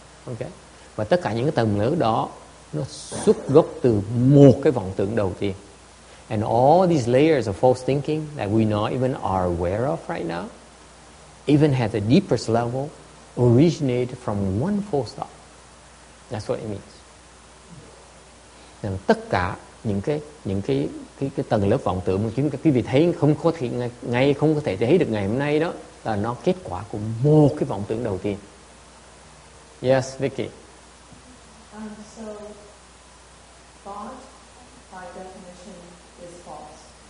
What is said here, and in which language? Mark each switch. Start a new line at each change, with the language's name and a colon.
Vietnamese: Ok, và tất cả những cái tầng lớp đó nó xuất gốc từ một cái vọng tưởng đầu tiên.
English: And all these layers of false thinking that we not even are aware of right now, even at the deepest level, originate from one false thought. That's what it means.
Vietnamese: Nên tất cả những cái tầng lớp vọng tưởng mà chúng quý vị thấy không có thể thấy được ngày hôm nay đó là nó kết quả của một cái vọng tưởng đầu tiên.
English: Yes, Vicky. So thought by definition is false.